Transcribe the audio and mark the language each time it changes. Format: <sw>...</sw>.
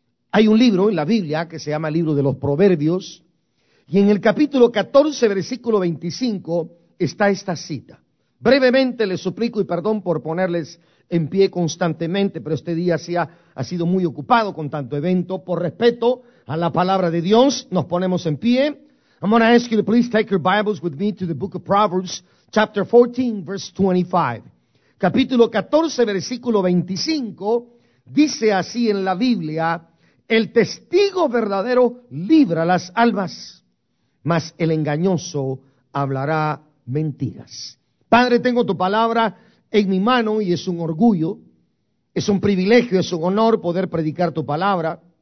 <es>Hay un libro en la Biblia que se llama el libro de los Proverbios, y en el capítulo 14, versículo 25, está esta cita. Brevemente les suplico y perdón por ponerles en pie constantemente, pero este día ha sido muy ocupado con tanto evento. Por respeto a la palabra de Dios, nos ponemos en pie.</es> <en>I'm going to ask you to please take your Bibles with me to the book of Proverbs, chapter 14, verse 25.</en> <es>Capítulo 14, versículo 25, dice así en la Biblia, el testigo verdadero libra las almas, mas el engañoso hablará mentiras. Padre, tengo tu palabra en mi mano y es un orgullo, es un privilegio, es un honor poder predicar tu palabra.</es>